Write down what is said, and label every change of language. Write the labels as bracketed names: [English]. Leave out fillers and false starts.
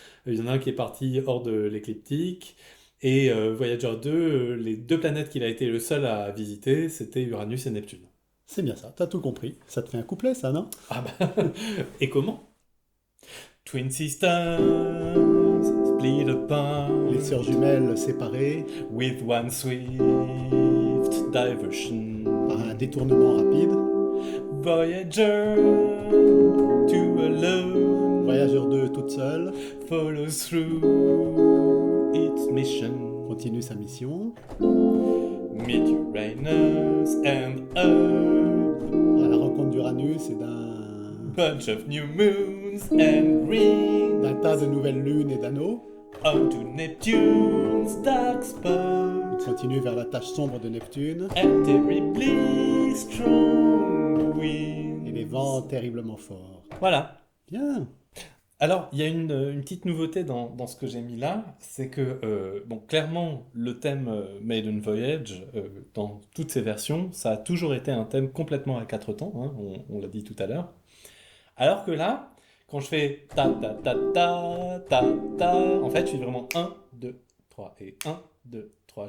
[French] Il y en a un qui est parti hors de l'écliptique. Et Voyager 2, les deux planètes qu'il a été le seul à visiter, c'était Uranus et Neptune. C'est bien ça, t'as tout compris. Ça te fait un couplet, ça, non ? Ah bah, et comment ? [English] Twin Sisters, split apart. [French] Les sœurs jumelles séparées. [English] With one swift diversion. [French] Par un détournement rapide. [English] Voyager, two alone. [French] Voyager 2, toute seule. [English] Follow through its mission. [French] Continue sa mission. [English] Meet Uranus and Earth. [French] À la rencontre d'Uranus et d'un... [English] Bunch of new moons and rings. [French] D'un tas de nouvelles lunes et d'anneaux. [English] On to Neptune's dark spot. [French] Il continue vers la tache sombre de Neptune. [English] And terribly strong winds. [French] Et les vents terriblement forts. Voilà. Bien. Alors, il y a une petite nouveauté dans ce que j'ai mis là, c'est que, bon, clairement, le thème Maiden Voyage, dans toutes ses versions, ça a toujours été un thème complètement à quatre temps, hein, on l'a dit tout à l'heure. Alors que là, quand je fais ta-ta-ta-ta-ta-ta, en fait, je suis vraiment 1, 2, 3 et 1, 2, 3.